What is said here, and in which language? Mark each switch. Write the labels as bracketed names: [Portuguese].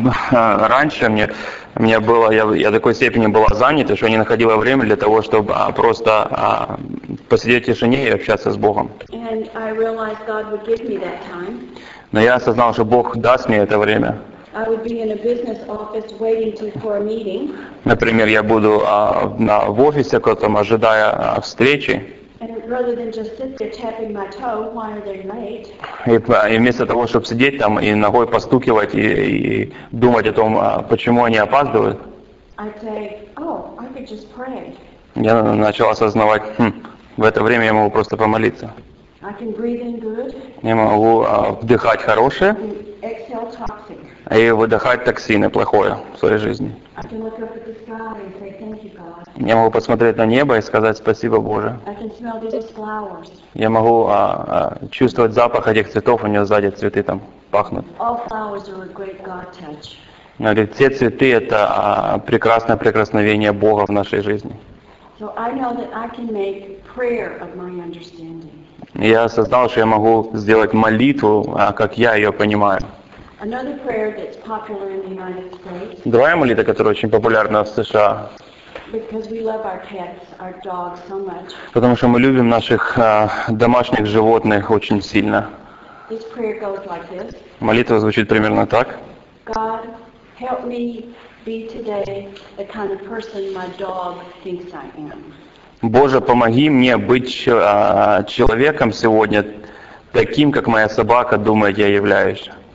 [Russian] Раньше мне было, я в такой степени была занята, что не находила время для того, чтобы просто посидеть в тишине и общаться с Богом. [English] And I realized God would give me that time. [Russian] Но я осознал, что Бог даст мне это время. [English] I would be in a business office waiting for a meeting. [Russian] Например, я буду в офисе, ожидая встречи. [English] And rather than just sit there tapping my toe, why are they late? [Russian] И вместо того, чтобы сидеть там и ногой постукивать и думать о том, почему они опаздывают, [English] I'd say, oh, I could just pray. [Russian] Я начал осознавать, в это время я могу просто помолиться. [English] I can breathe in good. [Russian] Я могу вдыхать хорошее [English] exhale toxic. [Russian] И выдыхать токсины плохое в своей жизни. [English] I can look up at the sky and say, thank you, God. [Russian] Я могу посмотреть на небо и сказать спасибо, Боже. [English] I can smell these flowers. [Russian] Я могу чувствовать запах этих цветов, у него сзади цветы там пахнут. [English] All flowers are a great God touch. [Russian] Говорит, все цветы — это прекрасное прикосновение Бога в нашей жизни. [English] So I know that I can make prayer of my understanding. [Russian] Я осознал, что я могу сделать молитву, как я ее понимаю. [English] Another prayer that's popular in the United States. [Russian] Другая молитва, которая очень популярна в США. [English] Because we love our cats, our dogs so much. [Russian] Потому что мы любим наших домашних животных очень сильно. [English] This prayer goes like this. [Russian] Молитва звучит примерно так. [English] God, help me be today the kind of person my dog thinks I am. [Russian] Боже, помоги мне быть человеком сегодня таким, как моя собака думает, я являюсь.